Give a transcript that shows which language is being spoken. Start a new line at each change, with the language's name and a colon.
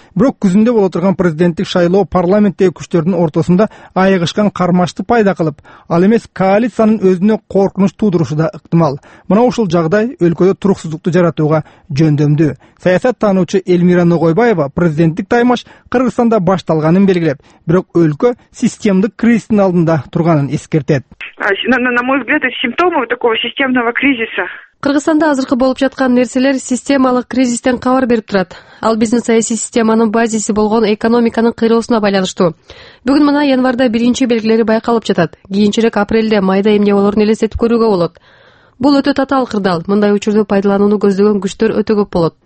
Kyrgyz: Бирок күзүндө боло турган президенттик шайлоо парламенттеги күчтөрдүн ортосунда айыгышкан кармашты пайда кылып, ал эмес коалициянын өзүнө коркунуч туудурушу да ыктымал. Мына ушул жагдай өлкөдө туруксуздукту жаратууга жөндөмдүү. Саясат таануучу Элмира Ногойбаева президенттик таймаш Кыргызстанда башталганын белгилеп, бирок өлкө системдик кризистин алдында турганын эскертет.
Russian: На мой взгляд, это симптомы такого системного кризиса.
Kyrgyz: Кыргызстанда азыркы болуп жаткан нерселер системалык кризистен кабар берип турат. Ал биздин саясий системанын базиси болгон экономиканын кыйроосуна байланыштуу. Бүгүн мына январда биринчи белгилери байкалып жатат. Кийинчерээк апрелде майда эмне болорун элестетип көрүүгө болот. Бул өтө татаал кырдаал. Мындай учурду пайдаланууну көздөгөн күчтөр өтө көп болот,